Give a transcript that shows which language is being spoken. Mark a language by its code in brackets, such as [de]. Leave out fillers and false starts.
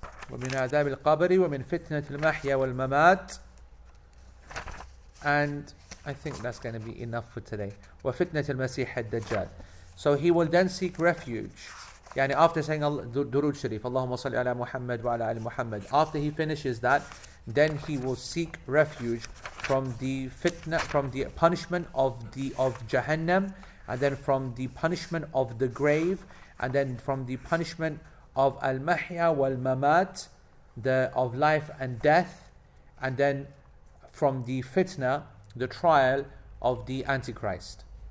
[ar] ومن عذاب القبر ومن فتنة المحيا والممات. [en] And I think that's going to be enough for today. [ar] وفتنة المسيح الدجال. [en] So he will then seek refuge. [ar] يعني [en] after saying [ar] درود شريف اللهم صل على محمد وعلى آل محمد. [en] After he finishes that, then he will seek refuge from the fitna, from the punishment of Jahannam, and then from the punishment of the grave, and then from the punishment of al-mahya wal-mamat, the of life and death, and then from the fitna, the trial of the Antichrist.